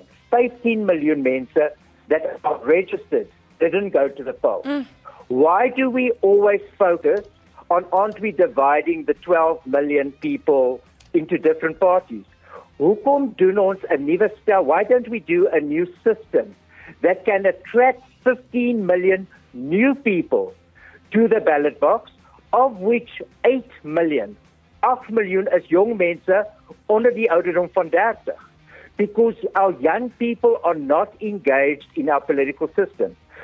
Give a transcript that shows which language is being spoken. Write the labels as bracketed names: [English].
[English] 15 million mense that are registered didn't go to the polls. Why do we always focus on, aren't we dividing the 12 million people into different parties? [Afrikaans] Hoekom doen ons 'n nuwe stel? [English] Why don't we do a new system that can attract 15 million new people to the ballot box, of which 8 million is [Afrikaans] jong mense onder die ouderdom van 30? [English] Because our young people are not engaged in our political system.